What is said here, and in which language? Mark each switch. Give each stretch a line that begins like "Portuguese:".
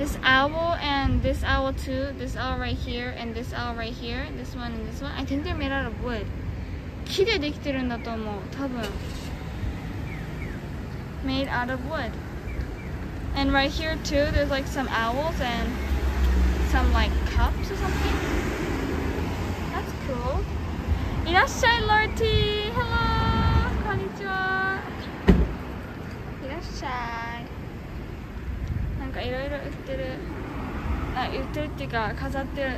English: this owl and this owl too, this owl right here and this owl right here, this one and this one. I think they're made out of wood.
Japanese: 木でできてるんだと思う、多分。
English: Made out of wood. And right here too, there's like some owls and some like cups or something. That's cool.
Japanese: いらっしゃい、ロッティ。
English: Hello!
Japanese: こんにちは。いらっしゃい。なんかいろいろ売ってる。あ、売ってるっていうか、飾ってる。